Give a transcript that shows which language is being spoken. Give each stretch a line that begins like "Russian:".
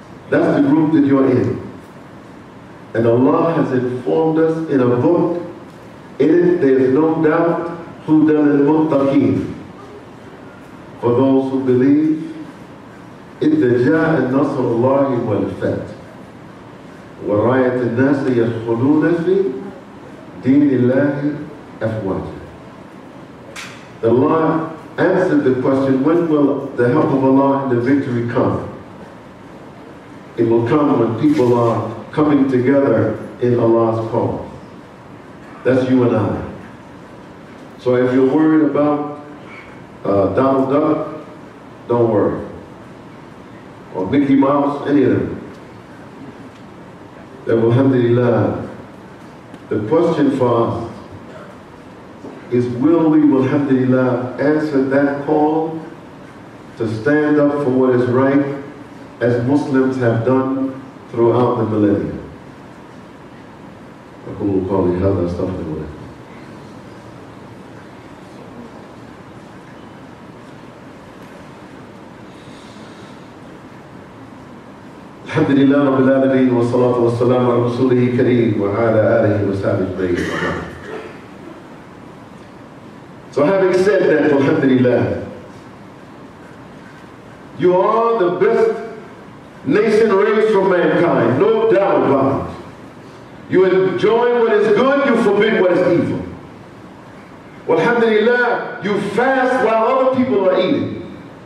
English: That's the group that you're in. And Allah has informed us in a book. In it, there is no doubt, Hudan al-Muttaqeen. For those who believe, Idda ja'a nasr Allahi wal fath.
Arabic: ورايت الناس يدخلون في دين الله أفواجا.
English: Allah answered the question, when will the help of Allah and the victory come? It will come when people are coming together in Allah's cause. That's you and I. So if you're worried about Donald Duck, don't worry. Or Mickey Mouse, any of them. That, alhamdulillah, the question for us is, will we, alhamdulillah, answer that call to stand up for what is right as Muslims have done throughout the millennia?
Arabic: أقول قولي هذا أستغفر الله. الحمد لله رب العالمين والصلاة والسلام على رسوله الكريم وعلى آله وصحبه أجمعين.
English: So having said that, alhamdulillah, you are the best nation raised from mankind, no doubt about it. You enjoy what is good, you forbid what is evil. Alhamdulillah, you fast while other people are eating.